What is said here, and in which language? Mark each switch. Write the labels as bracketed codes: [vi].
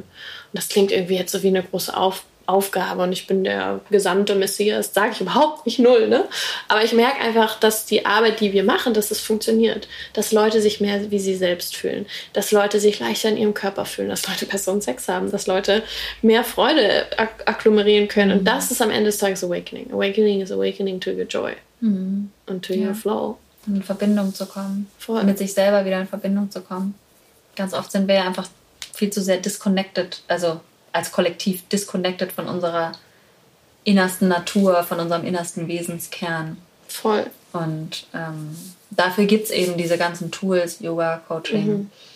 [de] Und das klingt irgendwie jetzt so wie eine große Aufgabe und ich bin der gesamte Messias, sage ich überhaupt nicht null, ne? Aber ich merke einfach, dass die Arbeit, die wir machen, dass es funktioniert, dass Leute sich mehr wie sie selbst fühlen, dass Leute sich leichter in ihrem Körper fühlen, dass Leute besseren Sex haben, dass Leute mehr Freude agglomerieren können. Und das ist am Ende des Tages Awakening. [en] Awakening is awakening to your joy and to your flow. [de] In Verbindung zu kommen. Voll. Mit sich selber wieder in Verbindung zu kommen. Ganz oft sind wir ja einfach viel zu sehr disconnected, also als Kollektiv disconnected von unserer innersten Natur, von unserem innersten Wesenskern. Voll. Und dafür gibt es eben diese ganzen Tools, Yoga, Coaching. Mhm.